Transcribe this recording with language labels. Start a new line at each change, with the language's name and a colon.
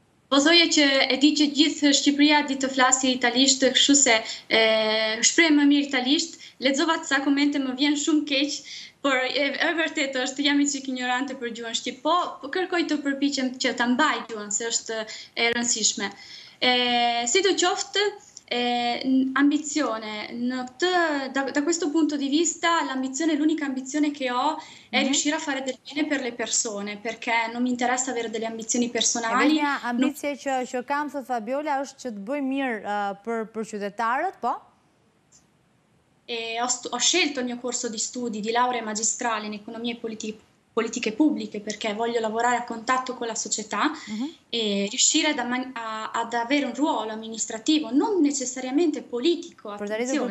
Albanian: Po thoje që e di që gjithë Shqipëria di të flasi italisht, të kështu se shprehem më mirë italisht, lexova ca komente, më vjen shumë keq, por e vërtet është, jam i çik ignorante për gjuhën shqip, po kërkoj të përpiqem që ta mbaj gjuhën, se është e rëndësishme.
Italian: Sidoqoftë, ambizione, da questo punto di vista l'ambizione, l'unica ambizione che ho è riuscire a fare del bene per le persone, perché non mi interessa avere delle ambizioni personali. La mia ambizione che
Albanian: kam, thot Fabiola, është që të bëj mirë për qytetarët, po?
Italian: Ho scelto il mio corso di studi di laurea magistrale in economia e politica politiche pubbliche, perché voglio lavorare a contatto con la società e riuscire ad avere un ruolo amministrativo, non necessariamente politico, attenzione.